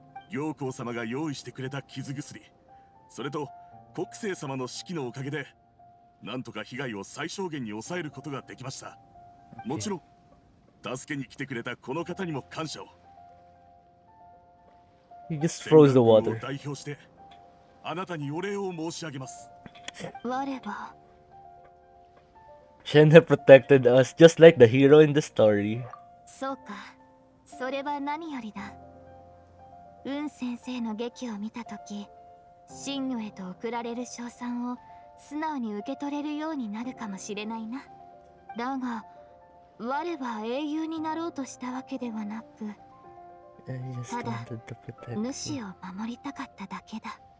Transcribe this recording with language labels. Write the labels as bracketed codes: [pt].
[ja] 行幸様が用意してくれた傷薬、それと国政様の指揮のおかげで、なんとか被害を最小限に抑えることができました。もちろん助けに来てくれたこの方にも感謝を。 [en] He just froze the water. [ja] 代表してあなたにお礼を申し上げます。我は [en] Shenhe protected us just like the hero in the story. [ja] そうか、それは何よりだ。雲先生の劇を見たとき、神女へと送られる賞賛を素直に受け取れるようになるかもしれないな。だが我は英雄になろうとしたわけではなく、ただ主を守りたかっただけだ。